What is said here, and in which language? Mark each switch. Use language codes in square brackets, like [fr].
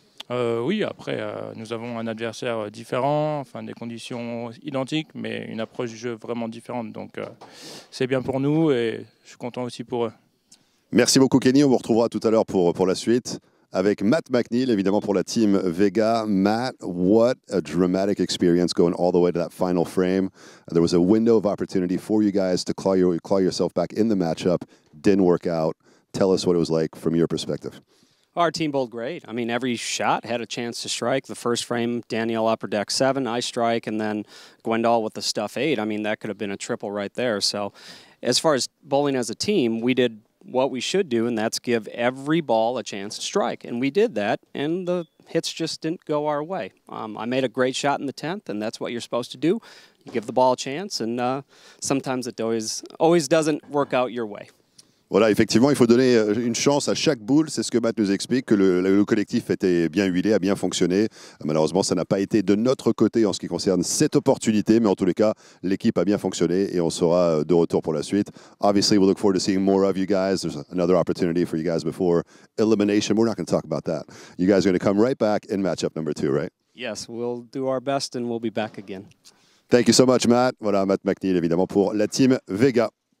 [fr] Nous avons un adversaire différent, enfin des conditions identiques, mais une approche du jeu vraiment différente. Donc c'est bien pour nous, et je suis content aussi pour eux. Merci beaucoup Kenny, on vous retrouvera tout à l'heure pour la suite. Avec Matt McNeil, évidemment pour la team Vega. [en] Matt, what a dramatic experience going all the way to that final frame. There was a window of opportunity for you guys to claw yourself back in the matchup. Didn't work out. Tell us what it was like from your perspective. Our team bowled great. I mean, every shot had a chance to strike. The first frame, Danielle upper deck 7, I strike, and then Gwendal with the stuff 8. I mean, that could have been a triple right there. So as far as bowling as a team, we did what we should do, and that's give every ball a chance to strike. And we did that, and the hits just didn't go our way. I made a great shot in the 10th, and that's what you're supposed to do. You give the ball a chance, and sometimes it always doesn't work out your way. [fr] Voilà, effectivement, il faut donner une chance à chaque boule. C'est ce que Matt nous explique, que le collectif était bien huilé, a bien fonctionné. Malheureusement, ça n'a pas été de notre côté en ce qui concerne cette opportunité. Mais en tous les cas, l'équipe a bien fonctionné et on sera de retour pour la suite. [en] Obviously, we look forward to seeing more of you guys. There's another opportunity for you guys before elimination. We're not going to talk about that. You guys are going to come right back in matchup number 2, right? Yes, we'll do our best and we'll be back again. Thank you so much, Matt. [fr] Voilà, Matt McNeil, évidemment, pour la team Vega.